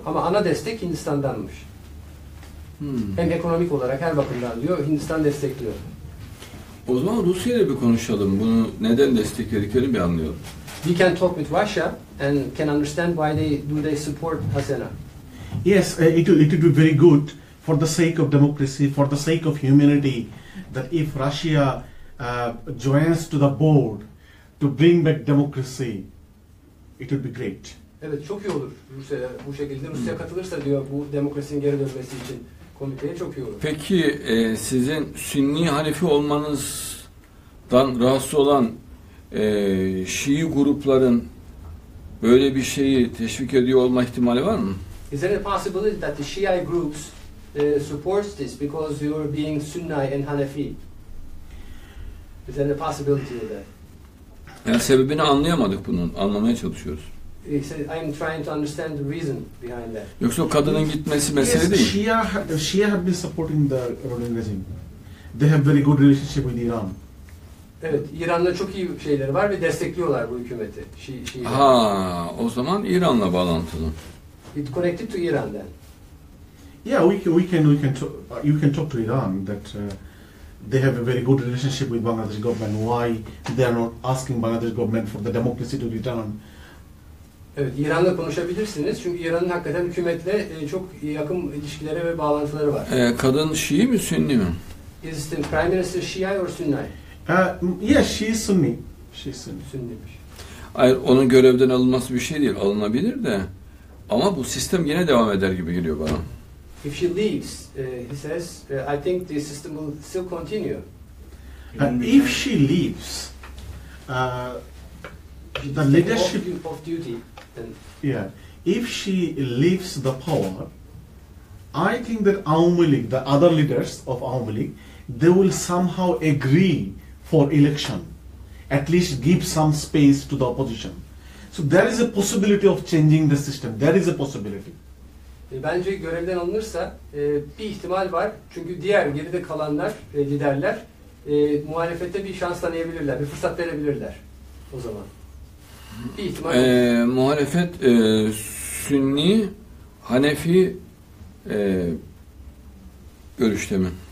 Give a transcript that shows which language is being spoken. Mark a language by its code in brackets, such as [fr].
[tr] Ama ana destek Hindistan'danmış. Hmm. Hem ekonomik olarak her bakımdan diyor Hindistan destekliyor. O zaman Rusya'yla bir konuşalım. Bunu neden desteklediklerini bir anlayalım. [en] We can talk with Russia and can understand why they do they support Hasana. Yes, it would be very good for the sake of democracy, for the sake of humanity, that if Russia joins to the board to bring back democracy, it would be great. [tr] Evet, çok iyi olur Rusya bu şekilde. Rusya katılırsa diyor bu demokrasinin geri dönmesi için komiteye çok iyi olur. Peki sizin Sünni Hanefi olmanızdan rahatsız olan Şii grupların böyle bir şeyi teşvik ediyor olma ihtimali var mı? [en] Is there a possibility that the Shia groups supports this because you are being Sunni and Hanafi? Is there a possibility of that? [tr] Yani sebebini anlayamadık bunun. Anlamaya çalışıyoruz. [en] I am trying to understand the reason behind that. [tr] Yoksa kadının gitmesi mesele değil. [en] Shia have been supporting the Iranian regime. They have very good relationship with Iran. [tr] Evet, İran'la çok iyi şeyleri var ve destekliyorlar bu hükümeti. Şia. Ha, o zaman İran'la bağlantılı. [en] It connected to Iran then. Yeah, we can talk to Iran that they have a very good relationship with Bangladesh government. Why they are not asking Bangladesh government for the democracy to return? [tr] Evet, İran'la konuşabilirsiniz çünkü İran'ın hakikaten hükümetle çok yakın ilişkileri ve bağlantıları var. Kadın Şii mi Sünni mi? [en] Is the Prime Minister Shia or Sunni? Yes, she is Sunni. She is Sunni. [tr] Sünniymiş. Hayır, onun görevden alınması bir şey değil, alınabilir de. Ama bu sistem yine devam eder gibi geliyor bana. [en] If she leaves, he says, I think the system will still continue. If she leaves, the leadership of duty. Then. Yeah, if she leaves the power, I think that Awami League, the other leaders of Awami League, they will somehow agree for election, at least give some space to the opposition. So there is a possibility of changing the system. There is a possibility. [tr] Bence görevden alınırsa bir ihtimal var. Çünkü diğer geride kalanlar, liderler muhalefete bir şans tanıyabilirler, bir fırsat verebilirler o zaman. Bir ihtimal. Muhalefet Sünni, Hanefi görüşte mi?